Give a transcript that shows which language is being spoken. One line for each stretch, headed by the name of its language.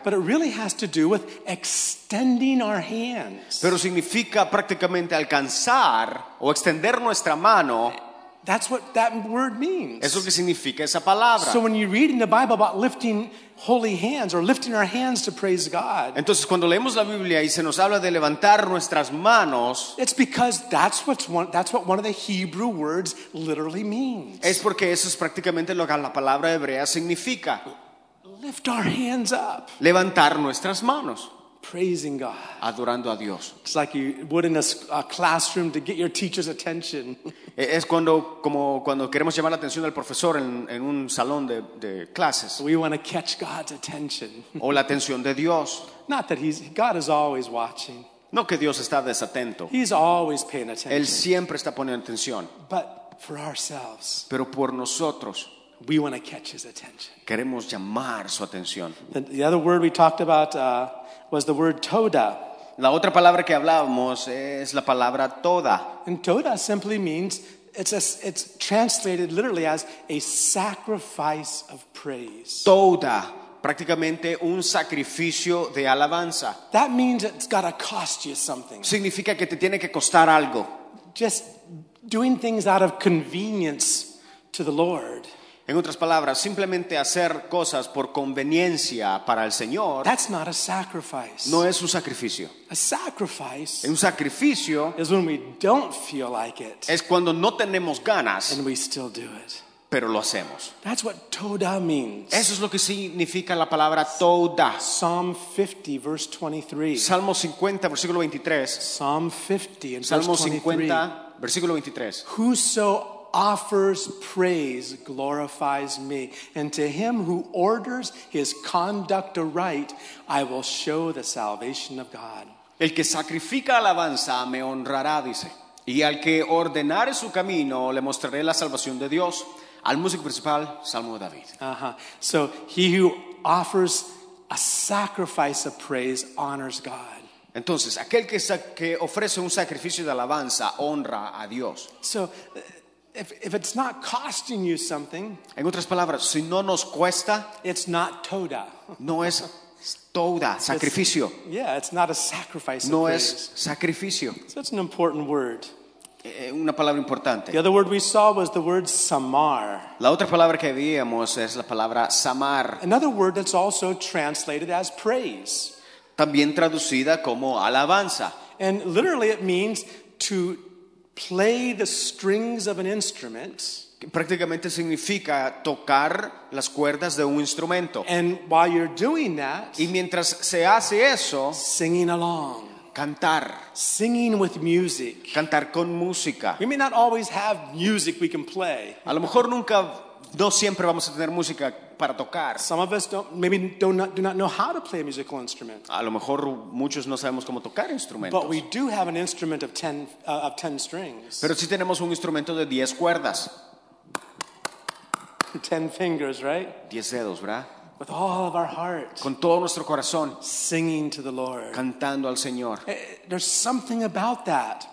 English: But it really has to do with extending our hands.
Spanish: Pero significa prácticamente alcanzar o extender nuestra mano.
English: That's what that word means.
Spanish: Eso que significa esa palabra.
English: So when you read in the Bible about lifting holy hands or lifting our hands to praise God.
Spanish: Entonces cuando leemos la Biblia y se nos habla de levantar nuestras manos,
English: it's because that's what one of the Hebrew words literally means.
Spanish: Es porque eso es prácticamente lo que la palabra hebrea significa.
English: Lift our hands up.
Spanish: Levantar nuestras manos.
English: Praising God.
Spanish: Adorando a Dios.
English: It's like you would in a classroom to get your teacher's attention.
Spanish: Es cuando, como cuando queremos llamar la atención del profesor en un salón de clases.
English: We want to catch God's attention.
Spanish: O la atención de Dios.
English: Not that God is always watching.
Spanish: No que Dios está desatento.
English: He's always paying attention.
Spanish: Él siempre está poniendo atención.
English: But for ourselves.
Spanish: Pero por nosotros.
English: We want to catch his attention.
Spanish: Queremos llamar su atención.
English: The other word we talked about was the word toda.
Spanish: La otra palabra que hablábamos es la palabra toda.
English: And toda simply means it's translated literally as a sacrifice of praise.
Spanish: Toda, prácticamente un sacrificio de alabanza.
English: That means it's got to cost you something.
Spanish: Significa que te tiene que costar algo.
English: Just doing things out of convenience to the Lord.
Spanish: En otras palabras, simplemente hacer cosas por conveniencia para el Señor.
English: That's not a sacrifice.
Spanish: No es un sacrificio.
English: A sacrifice.
Spanish: Un sacrificio
English: is when we don't feel like it.
Spanish: Es cuando no tenemos ganas.
English: And we still do it.
Spanish: Pero lo hacemos.
English: That's what toda means.
Spanish: Eso es lo que significa la palabra toda.
English: Psalm 50, verse 23.
Spanish: Salmo 50, versículo 23.
English: Psalm 50, and Salmo verse
Spanish: 50, 23. Versículo 23.
English: Whoso offers praise glorifies me, and to him who orders his conduct aright, I will show the salvation of God.
Spanish: El que sacrifica alabanza me honrará, dice, y al que ordenare su camino le mostraré la salvación de Dios. Al músico principal, Salmo de David.
English: So he who offers a sacrifice of praise honors God.
Spanish: Entonces, aquel que ofrece un sacrificio de alabanza honra a Dios.
English: So if it's not costing you something,
Spanish: en otras palabras, si no nos cuesta,
English: it's not toda.
Spanish: No es toda, sacrificio.
English: It's not a sacrifice.
Spanish: No es sacrificio.
English: So it's an important word.
Spanish: Una palabra importante.
English: The other word we saw was the word samar.
Spanish: La otra palabra que veíamos es la palabra samar.
English: Another word that's also translated as praise.
Spanish: También traducida como alabanza.
English: And literally it means to play the strings of an instrument.
Spanish: Prácticamente significa tocar las cuerdas de un instrumento.
English: And while you're doing that,
Spanish: y mientras se hace eso,
English: singing along.
Spanish: Cantar.
English: Singing with music.
Spanish: Cantar con música.
English: We may not always have music we can play.
Spanish: A lo mejor nunca, no siempre vamos a tener música para tocar.
English: Some of us do not know how to play a musical instrument.
Spanish: A lo mejor muchos no sabemos cómo tocar instrumentos.
English: But we do have an instrument of 10 strings.
Spanish: Pero sí tenemos un instrumento de 10 cuerdas.
English: 10 fingers, right?
Spanish: 10 dedos, ¿verdad?
English: With all of our heart.
Spanish: Con todo nuestro corazón.
English: Singing to the Lord.
Spanish: Cantando al Señor.
English: There's something about that.